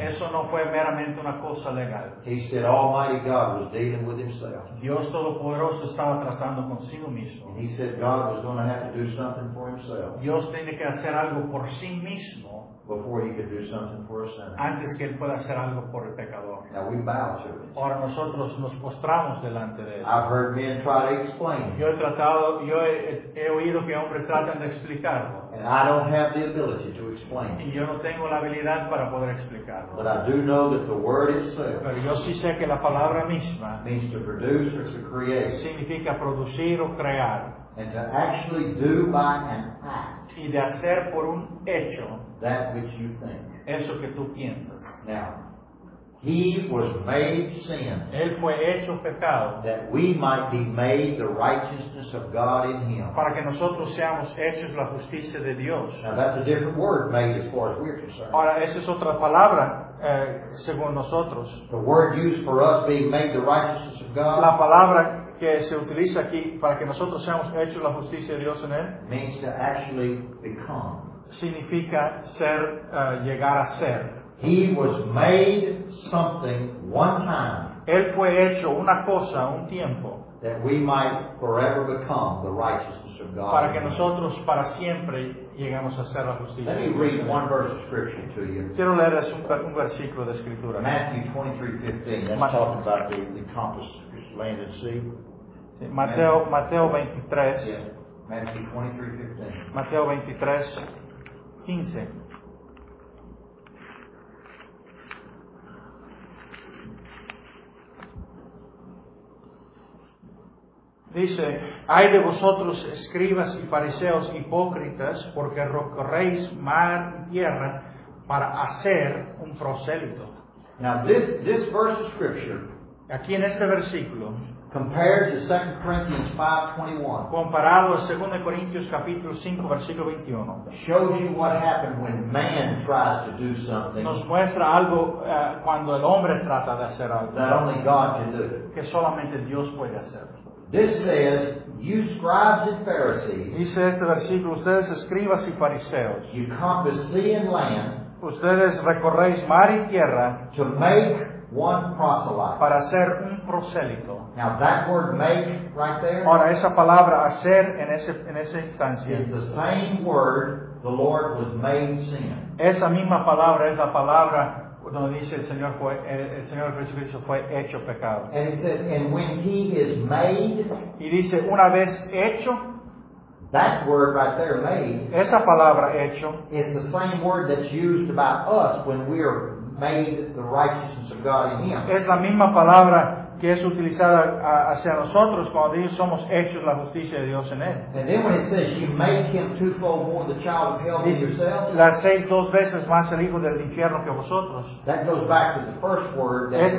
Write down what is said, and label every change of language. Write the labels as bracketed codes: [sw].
[es] Eso no fue meramente una cosa legal. [en] He said Almighty God was dealing with himself. [es] Dios Todopoderoso estaba tratando consigo mismo. [en] And he said God was going to have to do something for himself. [es] Dios tiene que hacer algo por sí mismo [en] before he could do something for a sinner. [es] Antes que él pueda hacer algo por el pecador. [en] Now we bow to it. [es] Ahora nosotros nos postramos delante de él. [en] I've heard men try to explain. [es] Yo he oído que hombres tratan de explicarlo. [en] And I don't have the ability to explain. [es] Y yo no tengo la habilidad para poder explicarlo. [en] But I do know that the word itself, [es] pero yo sí sé que la palabra misma, [en] means to produce or to create. [es] Significa producir o crear. [en] And to actually do by an act, [es] y de hacer por un hecho, [en] that which you think. [es] Eso que tú piensas. [en] Now, He was made sin. [es] Él fue hecho pecado. [en] That we might be made the righteousness of God in him. [es] Para que nosotros seamos hechos la justicia de Dios. [en] Now that's a different word made as far as we're concerned. [es] Ahora, esa es otra palabra, según nosotros. [en] The word used for us being made the righteousness of God. [es] La palabra que se utiliza aquí para que nosotros seamos hechos la justicia de Dios en él. [en] Means to actually become. [es] Significa ser, llegar a ser. [en] He was made something one time. [es] Él fue hecho una cosa un tiempo. [en] That we might forever become the righteousness of God. [es] Para que nosotros para siempre lleguemos a ser la justicia. [en] Let me read one verse of scripture to you. [es] Quiero leerles un versículo de escritura. [en] Matthew 23:15. That's talking about the compass, which land and sea. [es] Mateo 23. [en] Yeah. Matthew 23:15. [es] Mateo 23:15. Dice, ay de vosotros, escribas y fariseos hipócritas, porque recorréis mar y tierra para hacer un prosélito. [en] Now this verse of scripture, [es] aquí en este versículo, [en] compared to 2 Corinthians 5:21, [es] comparado a 2 Corintios capítulo 5 versículo 21, [en] shows you what happened when man tries to do something. [es] Nos muestra algo cuando el hombre trata de hacer algo. [en] That only God can do. [es] Que solamente Dios puede hacerlo. [en] This says, you scribes and Pharisees. [es] Dice este versículo, ustedes escribas y fariseos. [en] You compass sea and land. [es] Ustedes recorréis mar y tierra. [en] To make one proselyte. [es] Para hacer un prosélito. [en] Now that word make right there. [es] Ahora esa palabra hacer en esa instancia. [en] Is the same word the Lord was made sin. [es] Esa misma palabra es la palabra donde dice el Señor Jesucristo fue hecho pecado. [en] And it says, and when he is made, [es] y dice, una vez hecho, [en] that word right there, made, [es] esa palabra hecho, [en] is the same word that's used about us when we are made the righteousness of God in him. [es] Es la misma palabra que es utilizada hacia nosotros cuando dice, somos hechos la justicia de Dios en él. [en] And then when it says, you make him twofold more the child of hell than yourself, [es] la hacéis dos veces más el hijo del infierno que vosotros. [en] That goes back to the first word